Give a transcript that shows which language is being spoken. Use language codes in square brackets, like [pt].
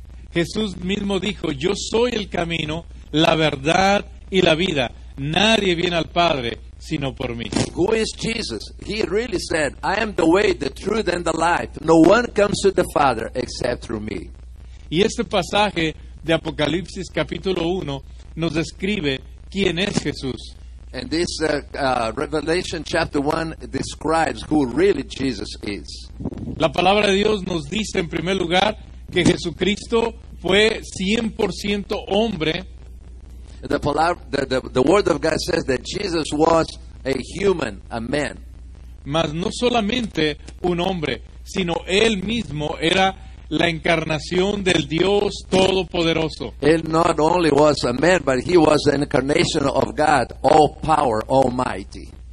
[es] Jesús mismo dijo, yo soy el camino, la verdad y la vida. Nadie viene al Padre sino por mí. [en] Who is Jesus? He really said, I am the way, the truth and the life. No one comes to the Father except through me. [es] Y este pasaje de Apocalipsis capítulo 1 nos describe quién es Jesús. [en] And this Revelation chapter 1 describes who really Jesus is. [es] La palabra de Dios nos dice en primer lugar que Jesucristo fue 100% hombre. [en] The word of God says that Jesus was a human, a man. [es] Mas no solamente un hombre, sino él mismo era la encarnación del Dios Todopoderoso. [en] He not only was a man, but he was an incarnation of God, all power, almighty.